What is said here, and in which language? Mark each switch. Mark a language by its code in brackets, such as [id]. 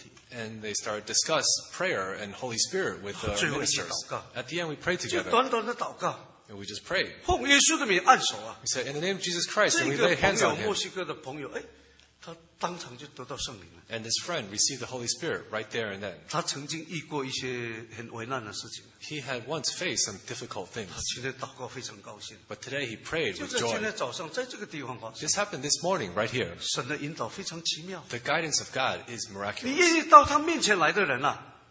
[en] And they start to discuss prayer and Holy Spirit with the ministers. At the end, we pray together. [zh] 短短的祷告, [en] and we just pray. [zh] 奉耶稣的名按手啊, [en] we say, in the name of Jesus Christ, and we lay hands on him. [zh] 墨西哥的朋友, 哎, 他当场就得到圣灵了, [en] and this friend received the Holy Spirit right there and then. [zh] 他曾经遇过一些很危难的事情, [en] he had once faced some difficult things. [zh] 他今天祷告非常高兴, [en] but today he prayed with joy. [zh] 就在今天早上, 在这个地方发生, [en] this happened this morning right here. [zh] 神的引导非常奇妙, [en] the guidance of God is miraculous. [zh] 你愿意到他面前来的人啊,